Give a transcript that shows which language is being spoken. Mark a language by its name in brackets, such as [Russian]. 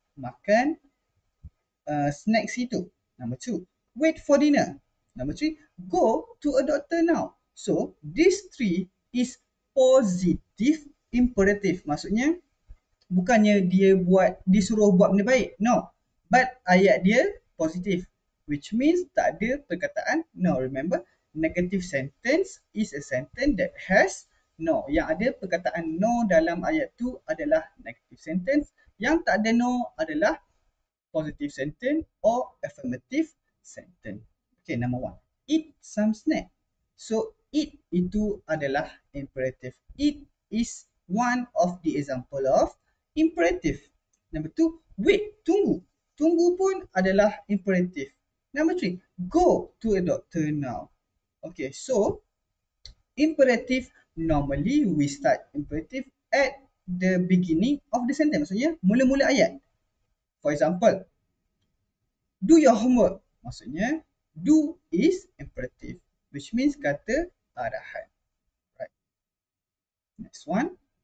[Malay] Makan snacks itu. [English] Number two, wait for dinner. Number three, go to a doctor now. So, these three is positive imperative. [Malay] Maksudnya, bukannya dia buat, disuruh buat benda baik. [English] No. But, [Malay] ayat dia positive. [English] Which means, [Malay] tak ada perkataan no. [English] Remember, negative sentence is a sentence that has no. [Malay] Yang ada perkataan no dalam ayat tu adalah negative sentence. Yang tak ada no adalah positive sentence [English] or affirmative sentence. Okay, number one. Eat some snack. [Malay] So, eat itu adalah imperative. [English] It is one of the example of imperative. Number two, wait, tunggu. [Malay] Tunggu pun adalah imperative. [English] Number three, go to a doctor now. Okay, so, imperative, normally we start imperative at the beginning of the sentence. [Malay] Maksudnya, mula-mula ayat. [English] For example, do your homework. Maksudnya, do is imperative, which means [Malay] kata arahan. [English] Right. Next one.